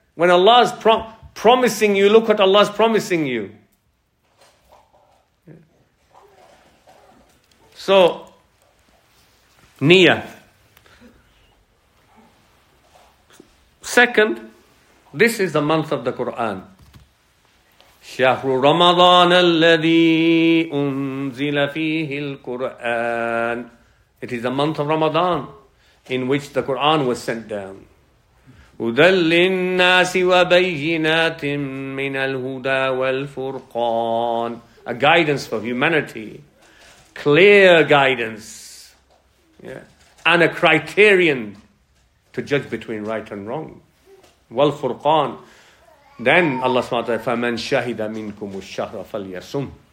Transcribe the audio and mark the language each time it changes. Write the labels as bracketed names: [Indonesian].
[English] When Allah is promising you, look what Allah is promising you. So, niyyah. Second, this is the month of the Quran. [Arabic] شهر رمضان الذي أنزل فيه القرآن. [English] It is the month of Ramadan in which the Quran was sent down. [Arabic] هدى للناس وبينات من الهدى والفرقان. [English] A guidance for humanity. Clear guidance. Yeah. And a criterion to judge between right and wrong. [Arabic] والفرقان. Then Allah subhanahu wa ta'ala, فَمَنْ شَهِدَ مِنْكُمُ الشَّهْرَ فَلْيَسُمْ.